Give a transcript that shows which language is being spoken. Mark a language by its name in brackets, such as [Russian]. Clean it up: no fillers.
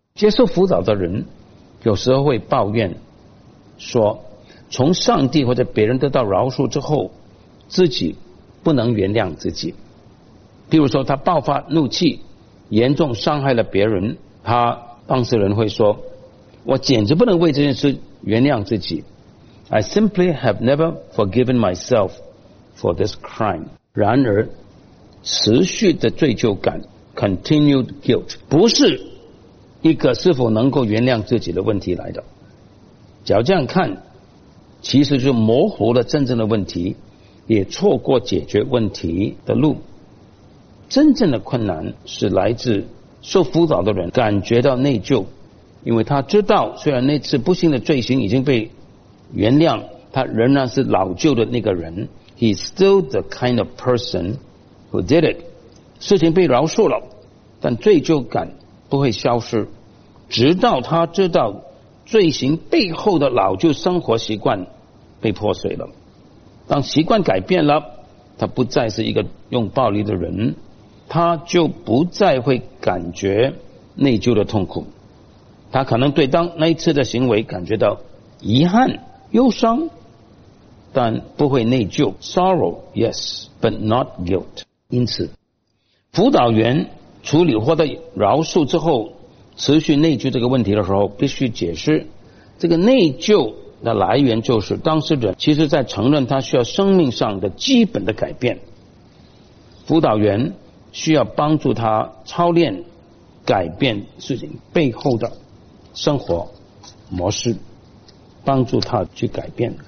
[Chinese] 接受辅导的人有时候会抱怨说，从上帝或者别人得到饶恕之后，自己不能原谅自己。譬如说他爆发怒气，严重伤害了别人，他当事人会说，我简直不能为这件事原谅自己。 [English] I simply have never forgiven myself for this crime. [Chinese] 然而持续的罪疚感 [English] continued guilt [Chinese] 不是一个是否能够原谅自己的问题来的。只要这样看，其实就模糊了真正的问题，也错过解决问题的路。真正的困难是来自受辅导的人感觉到内疚，因为他知道虽然那次不幸的罪行已经被原谅，他仍然是老旧的那个人。 [English] He's still the kind of person who did it. [Chinese] 事情被饶恕了，但罪疚感不会消失，直到他知道罪行背后的老旧生活习惯被破碎了。当习惯改变了，他不再是一个用暴力的人，他就不再会感觉内疚的痛苦。他可能对当那一次的行为感觉到遗憾、忧伤，但不会内疚。 [English] Sorrow, yes, but not guilt. [Chinese] 因此，辅导员处理获得饶恕之后，持续内疚这个问题的时候，必须解释，这个内疚的来源就是当事人其实在承认他需要生命上的基本的改变。辅导员需要帮助他操练改变事情背后的生活模式，帮助他去改变。